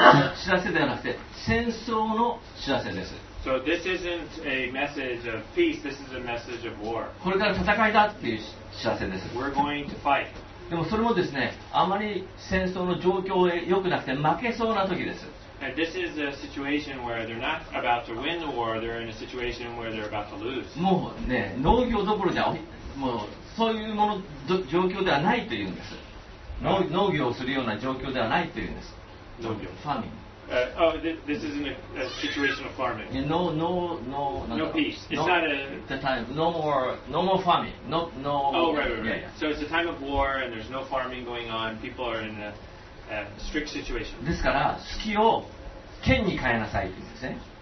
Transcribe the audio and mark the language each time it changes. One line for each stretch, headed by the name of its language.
Japanese: これは平和の知らせではなくて戦争の知らせです。
English: So this isn't a message of peace. This is a message of war.
Japanese: これから戦いだっていう知らせです。
English: We're going to fight.
Japanese: でもそれもですね、あまり戦争の状況が良くなくて負けそうな時です。
English: And this is a situation where they're not about to win the war, they're in a situation where they're about to lose.
Japanese: もうね、農業どころじゃ、もうそういうもの状況ではないというんです。農業をするような状況ではないというんです。農業。
English: Farming. This isn't a situation of farming. No peace. It's not a... The time. No more farming. No. Oh, right. Yeah. So it's a time of war and there's no farming going on. People are in a... strict situation.
Japanese: ですから、隙を剣に変えなさいって言うんですね。